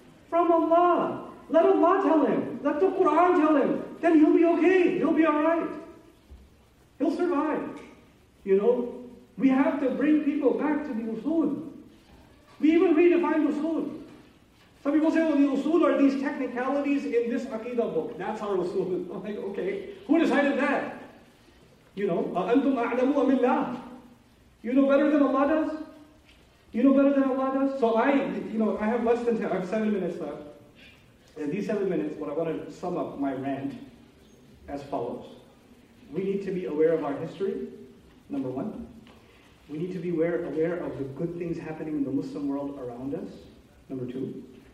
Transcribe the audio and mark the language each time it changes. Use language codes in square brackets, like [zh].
[en] From Allah. Let Allah tell him. Let the Quran tell him. Then he'll be okay. He'll be alright. He'll survive. You know? We have to bring people back to the usul. We even redefine usul. Some people say, well, the usul are these technicalities in this aqidah book. That's our usul. I'm like, okay, who decided that? You know, [ar] أَأَنْتُمْ أَعْلَمُ أَمِ اللَّهِ. [en] You know better than Allah does? You know better than Allah does? So I have less than 10, I have 7 minutes left. In these 7 minutes, what I want to sum up my rant as follows. We need to be aware of our history, number one. We need to be aware of the good things happening in the Muslim world around us, number two.